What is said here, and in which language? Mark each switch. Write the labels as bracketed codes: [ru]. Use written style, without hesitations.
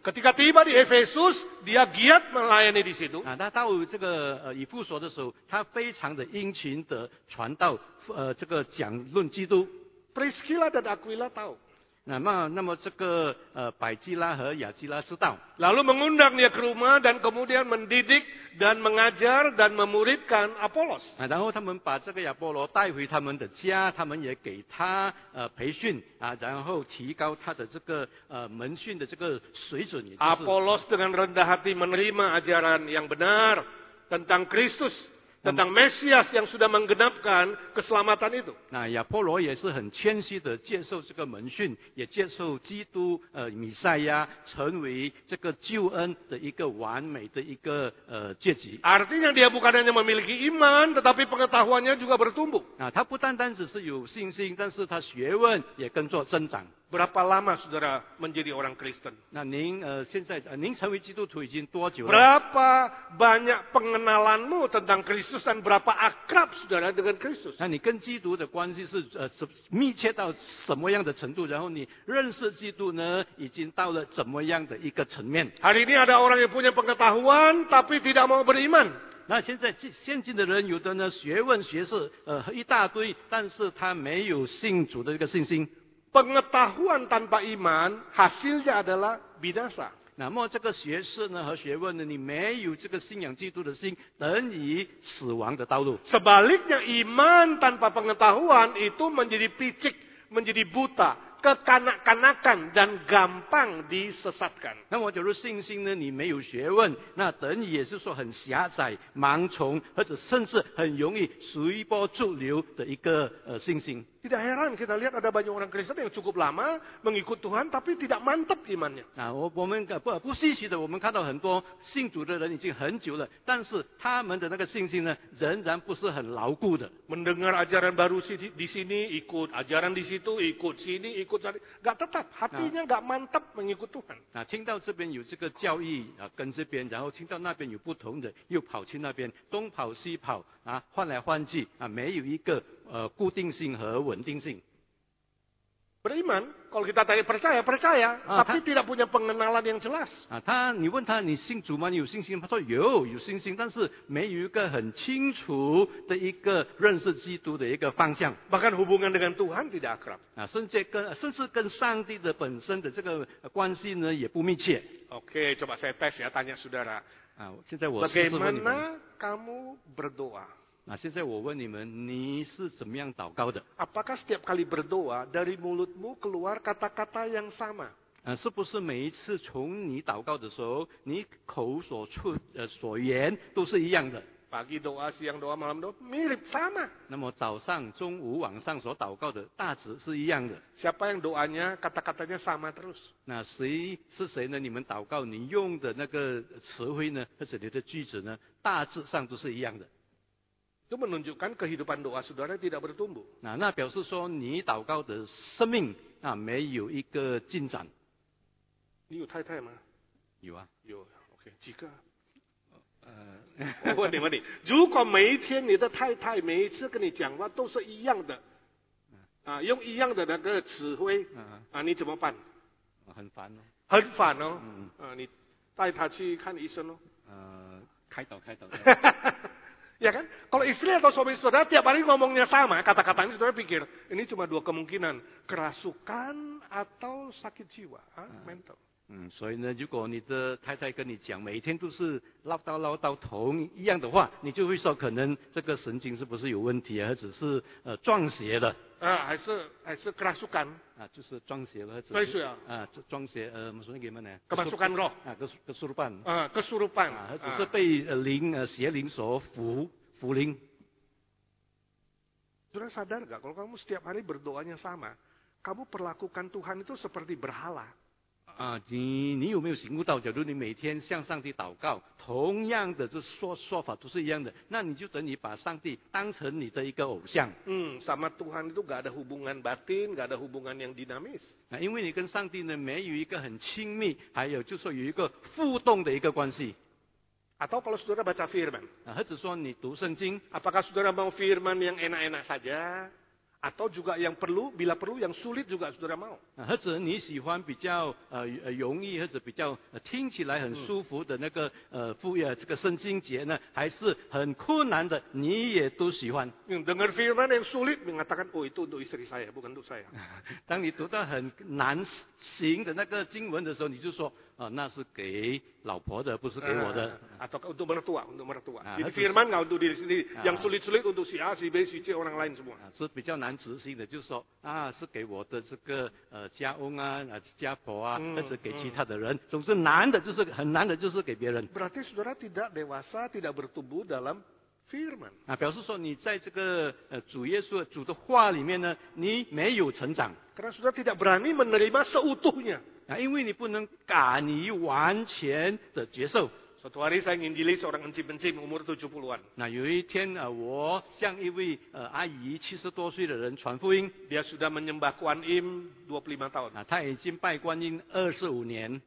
[id] Ketika tiba di Efesus, dia giat melayani di situ. [zh] 他到这个以弗所的时候，他非常的殷勤的传道，这个讲论基督。 [id] Priscilla dan Aquila tahu. [zh] 那么这个百基拉和亚基拉知道。 [id] Lalu mengundang dia ke rumah dan kemudian mendidik dan mengajar dan memuridkan Apolos. [zh] 然后他们把这个亚波罗带回他们的家，他们也给他培训，然后提高他的这个门训的这个水准。 [id] Apolos dengan rendah hati menerima ajaran yang benar tentang Kristus tentang Mesias yang sudah menggenapkan keselamatan itu. [zh] Nah, Yapolo 也是很谦虚的接受这个门训，也接受基督弥赛亚成为这个救恩的一个完美的一个阶级。 [id] Artinya dia bukan hanya memiliki iman, tetapi pengetahuannya juga bertumbuh. [zh] Nah, 他不单单只是有信心，但是他学问也跟着增长。 [id] Berapa lama saudara menjadi orang Kristen? [zh] Nah,您现在您成为基督徒已经多久了？ [id] Berapa banyak pengenalanmu tentang Kristus dan berapa akrab saudara dengan Kristus? [zh] Nah, 你跟基督的关系是密切到什么样的程度？然后你认识基督呢，已经到了怎么样的一个层面？ [id] Hari ini ada orang yang punya pengetahuan tapi tidak mau beriman. [zh] 那现在现今的人有的呢，学问学识一大堆，但是他没有信主的一个信心。 [id] Pengetahuan tanpa iman hasilnya adalah binasa. [zh] 那么这个学识呢和学问呢，你没有这个信仰基督的心，等于死亡的道路。 [id] Sebaliknya iman tanpa pengetahuan itu menjadi picik, menjadi buta, kekanak-kanakan dan gampang disesatkan. [zh] 那么假如信心呢，你没有学问，那等于也是说很狭窄、盲从，或者甚至很容易随波逐流的一个信心。 [id] Tidak heran kita lihat ada banyak orang Kristen yang cukup lama mengikut Tuhan tapi tidak mantap imannya. [zh] Nah, 我们不稀奇的，我们看到很多信主的人已经很久了，但是他们的那个信心呢，仍然不是很牢固的。 [id] Mendengar ajaran baru di sini ikut ajaran di situ ikut sini ikut sana, enggak tetap hatinya enggak mantap mengikut Tuhan. [zh] Nah, 听到这边有这个教义啊，跟这边，然后听到那边有不同的，又跑去那边，东跑西跑啊，换来换去啊，没有一个。固定性和稳定性。 [id] Beriman, kalau kita tanya percaya, percaya, tapi tidak punya pengenalan yang jelas. [zh] 啊，他，你问他，你信主吗？你有信心？他说有，有信心，但是没有一个很清楚的一个认识基督的一个方向。 [id] Bahkan hubungan dengan Tuhan tidak akrab. [zh] 啊，甚至跟上帝的本身的这个关系呢也不密切。 [id] Okay, coba saya tes ya, tanya saudara. [zh] 啊，现在我试试问你们。 [id] Bagaimana kamu berdoa? [zh] 那现在我问你们，你是怎么样祷告的 [id] ？Apakah setiap kali berdoa dari mulutmu keluar kata-kata yang sama？ [zh] 是不是每一次从你祷告的时候，你口所出所言都是一样的 [id] ？Pagi doa, siang doa, malam doa, mirip sama。 [zh] 那么早上、中午、晚上所祷告的大致是一样的。 [id] Siapa yang doanya, kata-katanya sama terus？ [zh] 那谁是谁呢？你们祷告，你用的那个词汇呢，或者你的句子呢，大致上都是一样的。 [id] Itu menunjukkan kehidupan doa saudara tidak bertumbuh. [zh] Nah, 那表示说你祷告的生命啊没有一个进展。你有太太吗？有啊。有 ，OK， 几个？我问你，如果每一天你的太太每一次跟你讲话都是一样的，啊，用一样的那个词汇，啊，你怎么办？很烦哦。很烦哦。嗯。啊，你带他去看医生哦。开导，开导。 [id] Ya kan, kalau istri atau suami saudara tiap hari ngomongnya sama, kata-katanya saudara pikir ini cuma dua kemungkinan, kerasukan atau sakit jiwa, mental. [zh] 所以呢，如果你的太太跟你讲每天都是唠叨唠叨同一样的话，你就会说可能这个神经是不是有问题，或者是撞邪的。还是 kerasukan。就是撞邪了，对是啊。 [id] 撞邪maksudnya gimana? Kemasukan roh。 Kesurupan。 Kesurupan。 [zh] 或者是被灵邪灵所附灵。 [id] Sudah sadar gak kalau kamu setiap hari berdoanya sama, kamu perlakukan Tuhan itu seperti berhala。 [zh] 你有没有醒悟到，假如你每天向上帝祷告，同样的就 说法都是一样的，那你就等于把上帝当成你的一个偶像。 [id] Sama Tuhan itu gak ada hubungan batin, gak ada hubungan yang dinamis。 [zh] 那因为你跟上帝呢没有一个很亲密，还有就是说有一个互动的一个关系。 [id] Atau kalau saudara baca firman。 [zh] 或者说你读圣经。 [id] Apakah saudara mau firman yang enak-enak saja? Atau juga yang perlu, bila perlu yang sulit juga saudara mau. [zh] 或者你喜欢比较容易或者比较听起来很舒服的那个这个圣经节呢，还是很困难的，你也都喜欢。 [id] Dengar firman yang sulit mengatakan, oh itu untuk istri saya, bukan untuk saya. [zh] 当你读到很难行的那个经文的时候，你就说那是给老婆的，不是给我的。 [id] Atau untuk mertua, untuk mertua. Jadi firman nggak untuk diri sendiri, yang sulit-sulit untuk si A, si B, si C, orang lain semua. [zh] 是比较难执行的，就是说是给我的这个家翁家婆啊，或者给其他的人。总之难的就是很难的就是给别人。 [id] Berarti saudara tidak dewasa, tidak bertumbuh dalam firman. [zh] 啊，表示说你在这个主耶稣主的话里面呢，你没有成长。 [id] Karena sudah tidak berani menerima seutuhnya. [zh] 啊，因为你不能敢于完全的接受。 [id] Suatu hari saya nginjili seorang encim-encim umur 70-an. [zh] Nah, 有一天我向一位阿姨70多岁的人传福音。 [id] Dia sudah menyembah Kuan Im 25 tahun. [zh] Nah, 他已经拜观音25年。